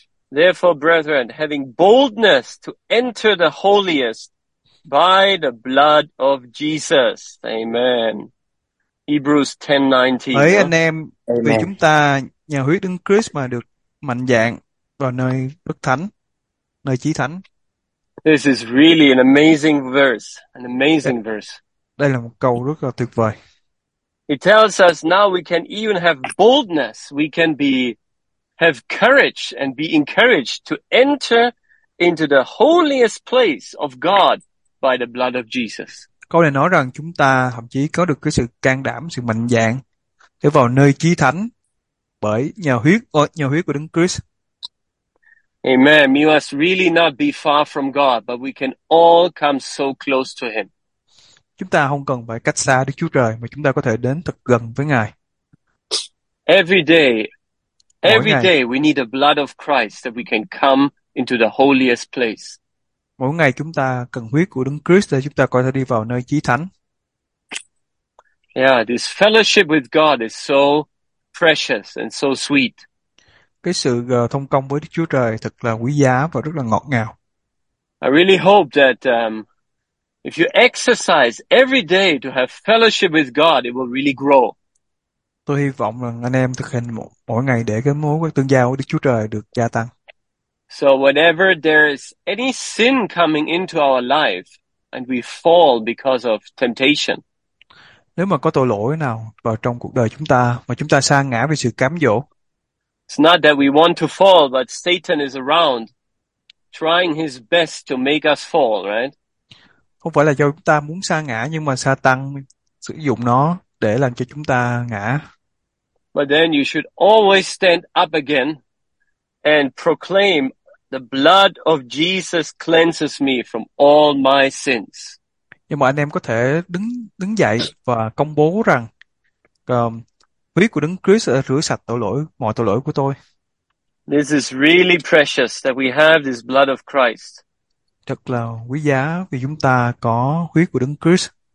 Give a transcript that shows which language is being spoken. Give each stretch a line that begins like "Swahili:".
English: Therefore, brethren, having boldness to enter the holiest by the blood of Jesus. Amen. Hebrews 10:19.
Vietnamese: Ấy anh em, vì chúng ta nhờ huyết Đấng Christ mà được mạnh dạn vào nơi đức thánh, nơi chí thánh.
English: This is really an amazing verse, an amazing verse.
Vietnamese: Đây là một câu rất là tuyệt vời.
English: It tells us now we can even have boldness, we can be have courage and be encouraged to enter into the holiest place of God by the blood of Jesus.
Vietnamese: Câu này nói rằng chúng ta thậm chí có được cái sự can đảm, sự mạnh dạn để vào nơi chí thánh bởi nhờ huyết của Đấng Christ.
English: Amen. We must really not be far from God, but we can all come so close to him.
Vietnamese: Chúng ta không cần phải cách xa Đức Chúa Trời mà chúng ta có thể đến thật gần với Ngài.
English: Every day we need the blood of Christ that we can come into the holiest place.
Vietnamese: Mỗi ngày chúng ta cần huyết của Đấng Christ để chúng ta có thể đi vào nơi chí thánh.
English: Yeah, this fellowship with God is so precious and so sweet.
Vietnamese: Cái sự thông công với Đức Chúa Trời thật là quý giá và rất là ngọt ngào.
English: I really hope that if you exercise every day to have fellowship with God, it will really grow.
Vietnamese: Tôi hy vọng rằng anh em thực hành mỗi ngày để cái mối tương giao với Đức Chúa Trời được gia tăng.
English: So whenever there is any sin coming into our life and we fall because of temptation.
Vietnamese: Nếu mà có tội lỗi nào vào trong cuộc đời chúng ta mà chúng ta sa ngã vì sự cám dỗ.
English: It's not that we want to fall, but Satan is around trying his best to make us fall, right?
Vietnamese: Không phải là do chúng ta muốn sa ngã nhưng mà Satan sử dụng nó để làm cho chúng ta ngã.
English: But then you should always stand up again and proclaim the blood of Jesus cleanses me from all my sins.
Vietnamese: Nhưng mà anh em có thể đứng dậy và công bố rằng huyết của Đấng Christ đã rửa sạch mọi tội lỗi của tôi.
English: This is really precious that we have this blood of Christ.
Vietnamese: Thật là quý giá vì chúng ta có huyết của Đấng Christ.